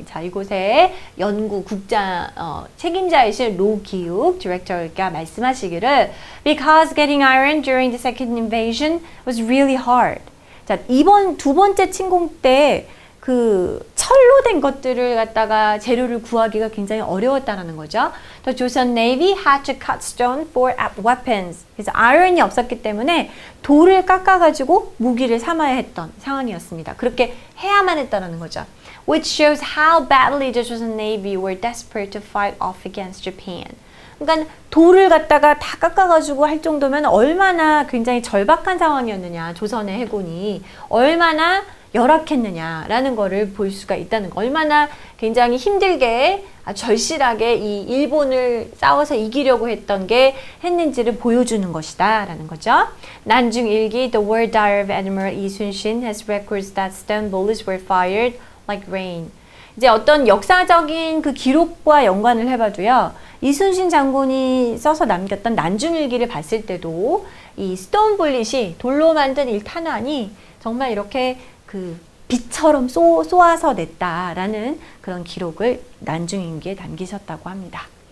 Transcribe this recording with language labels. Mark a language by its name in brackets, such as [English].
[Korean] 자, 이곳에 연구 국장 책임자이신 노기욱 디렉터가 말씀하시기를 [English] Because getting iron during the second invasion was really hard. [Korean] 자, 이번 두 번째 침공 때 그 철로 된 것들을 갖다가 재료를 구하기가 굉장히 어려웠다라는 거죠. [English] The 조선 Navy had to cut stone for weapons. [Korean] 그래서 아이언이 없었기 때문에 돌을 깎아가지고 무기를 삼아야 했던 상황이었습니다. 그렇게 해야만 했다라는 거죠. [English] Which shows how badly the 조선 Navy were desperate to fight off against Japan. [Korean] 그러니까 돌을 갖다가 다 깎아가지고 할 정도면 얼마나 굉장히 절박한 상황이었느냐. 조선의 해군이 얼마나 열악했느냐라는 거를 볼 수가 있다는 거. 얼마나 굉장히 힘들게 절실하게 이 일본을 싸워서 이기려고 했던 게 했는지를 보여주는 것이다 라는 거죠. [English] 난중 일기 The World Diary of Admiral 이순신 has records that stone bullets were fired like rain. [Korean] 이제 어떤 역사적인 그 기록과 연관을 해봐도요. 이순신 장군이 써서 남겼던 난중일기를 봤을 때도 이 스톤 블릿이 돌로 만든 일탄환이 정말 이렇게 그 빛처럼 쏘아서 냈다라는 그런 기록을 난중일기에 남기셨다고 합니다.